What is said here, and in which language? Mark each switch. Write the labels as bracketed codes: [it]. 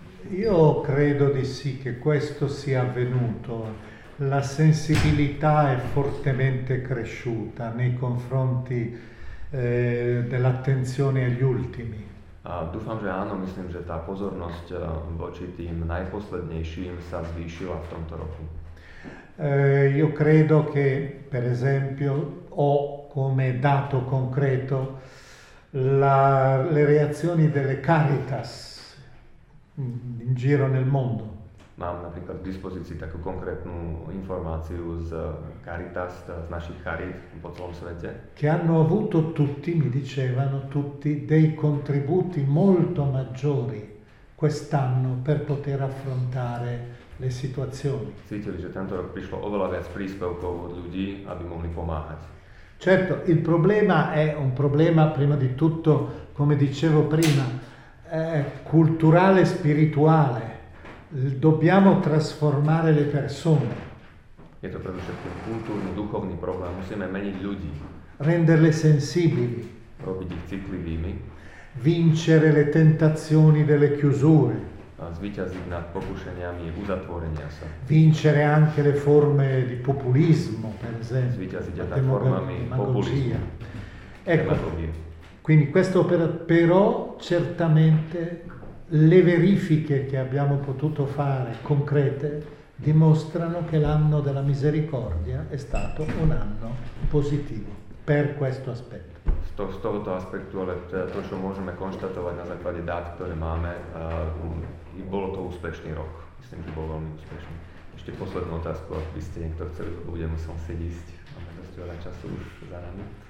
[it] Io credo di sì che questo sia avvenuto. La sensibilità è fortemente cresciuta nei confronti dell'attenzione agli ultimi. [sk] Dúfam, že áno, myslím, že tá pozornosť voči tým najposlednejším sa zvýšila v tomto roku. [it] Io credo che, per esempio, ho come dato concreto le reazioni delle Caritas in giro nel mondo. [sk] Mám napríklad k dispozícii takú konkrétnu informáciu z Caritas, z našich charit po celom svete. [it] Che hanno avuto tutti, mi dicevano tutti, dei contributi molto maggiori quest'anno per poter affrontare le situazioni. [sk] Cítili, že tento rok prišlo oveľa viac príspevkov od ľudí, aby mohli pomáhať. [it] Certo, il problema è un problema prima di tutto, come dicevo prima, culturale e spirituale. Dobbiamo trasformare le persone. [sk] Je to predovšetkým kultúrny, duchovný problém. Musíme meniť ľudí. [it] Renderle sensibili. [sk] Robiť ich citlivými. [it] Vincere le tentazioni delle chiusure. [sk] A zvíťaziť nad pokušeniami uzatvorenia sa. [it] Vincere anche le forme di populismo, per esempio. [sk] Zvíťaziť aj formami populizmu. [it] Ecco, quindi questo però certamente le verifiche che abbiamo potuto fare concrete dimostrano che l'anno della misericordia è stato un anno positivo per questo aspetto. [sk] Z tohto aspektu, ale to, čo môžeme konštatovať na základe dát, ktoré máme, bolo to úspešný rok. Myslím, že bol veľmi úspešný. Ešte poslednú otázku, ak by ste niekto chceli, bude musel si ísť. Máme dosť veľa času už za nami.